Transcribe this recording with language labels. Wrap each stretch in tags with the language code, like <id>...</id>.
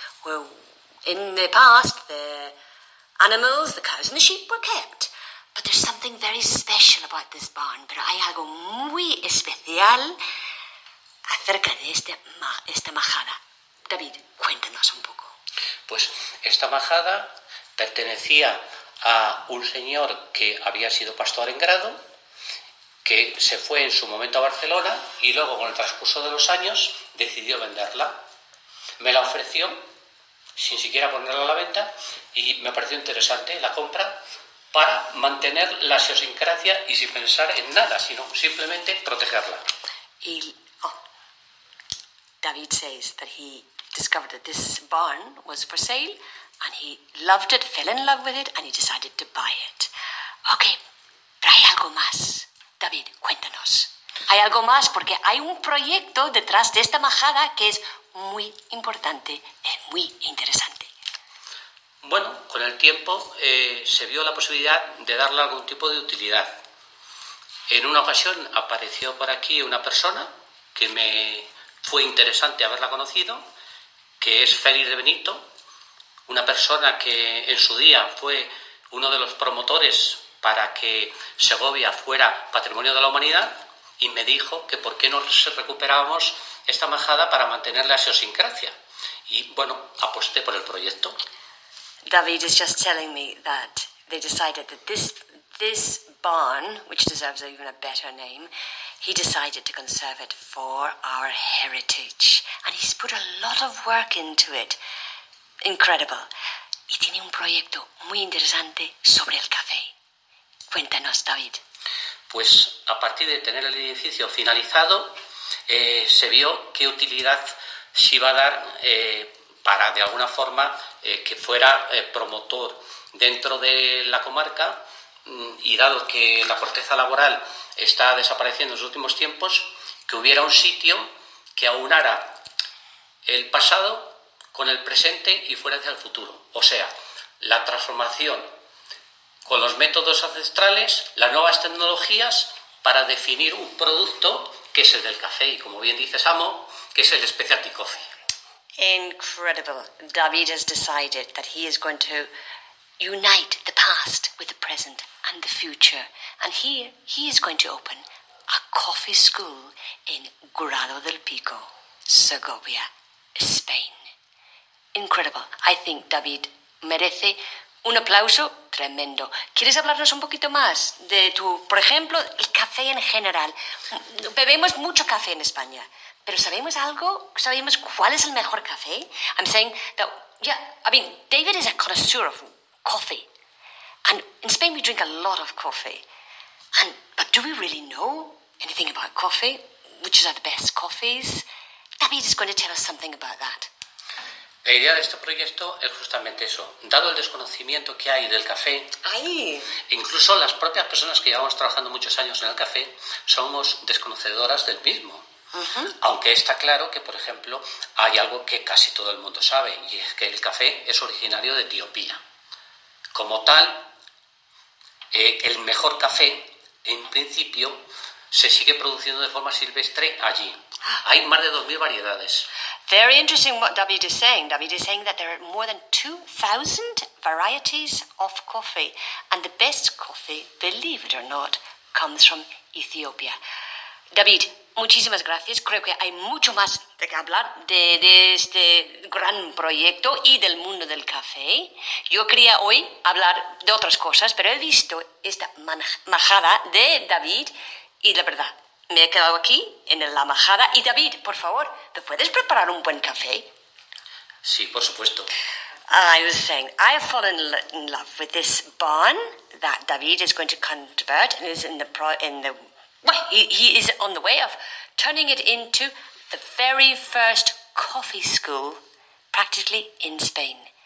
<en>Well, in the past, the animals, the cows and the sheep were kept. But there's something very special about this barn.</en> <es>Pero hay algo muy especial acerca de esta majada. David, cuéntanos un poco. Pues esta majada pertenecía a un señor que había sido pastor en Grado, que se fue en su momento a Barcelona y luego, con el transcurso de los años, decidió venderla. Me la ofreció sin siquiera ponerla a la venta y me pareció interesante la compra para mantener la idiosincrasia y sin pensar en nada, sino simplemente protegerla.</es> <en>Y David says that he discovered that this barn was for sale and he loved it, fell in love with it, and he decided to buy it.</en> <es>Okay, pero hay algo más. David, cuéntanos. Hay algo más porque hay un proyecto detrás de esta majada que es muy importante y muy interesante. Bueno, con el tiempo se vio la posibilidad de darle algún tipo de utilidad. En una ocasión apareció por aquí una persona que me fue interesante haberla conocido, que es Félix de Benito, una persona que en su día fue uno de los promotores para que Segovia fuera Patrimonio de la Humanidad, y me dijo que por qué no recuperábamos esta majada para mantener la idiosincrasia. Y bueno, aposté por el proyecto.</es> <en>David is just telling me that they decided that this barn, which deserves even a better name, he decided to conserve it for our heritage. And he's put a lot of work into it. Incredible.</en> <es>Y tiene un proyecto muy interesante sobre el café. Cuéntanos, David. Pues a partir de tener el edificio finalizado, se vio qué utilidad se iba a dar para, de alguna forma, que fuera promotor dentro de la comarca y dado que la corteza laboral está desapareciendo en los últimos tiempos, que hubiera un sitio que aunara el pasado con el presente y fuera hacia el futuro. O sea, la transformación con los métodos ancestrales, las nuevas tecnologías para definir un producto que es el del café y, como bien dices, Amo, que es el Specialty Coffee.</es> <en>Incredible. David has decided that he is going to unite the past with the present and the future. And here he is going to open a coffee school in Grado del Pico, Segovia, Spain. Incredible. I think</en> <es>David merece un aplauso tremendo. ¿Quieres hablarnos un poquito más de tu, por ejemplo, el café en general? Bebemos mucho café en España. Pero ¿sabemos algo? ¿Sabemos cuál es el mejor café?</es> <en>I'm saying that, yeah, I mean, David is a connoisseur of coffee. And in Spain we drink a lot of coffee. But do we really know anything about coffee? Which are the best coffees? David is going to tell us something about that.</en> <es>La idea de este proyecto es justamente eso. Dado el desconocimiento que hay del café, incluso las propias personas que llevamos trabajando muchos años en el café, somos desconocedoras del mismo. Uh-huh. Aunque está claro que, por ejemplo, hay algo que casi todo el mundo sabe, y es que el café es originario de Etiopía. Como tal, el mejor café, en principio, se sigue produciendo de forma silvestre allí. Hay más de 2.000 variedades.</es> <en>Very interesting what David is saying. David is saying that there are more than 2,000 varieties of coffee, and the best coffee, believe it or not, comes from Ethiopia.</en> <es>David, muchísimas gracias. Creo que hay mucho más de que hablar de este gran proyecto y del mundo del café. Yo quería hoy hablar de otras cosas, pero he visto esta majada de David y la verdad, me he quedado aquí en la majada. Y David, por favor, ¿me puedes preparar un buen café? Sí, por supuesto.</es> <en>I was saying, I have fallen in love with this barn that David is going to convert and is in the Well, he is on the way of turning it into the very first coffee school, practically in Spain.</en>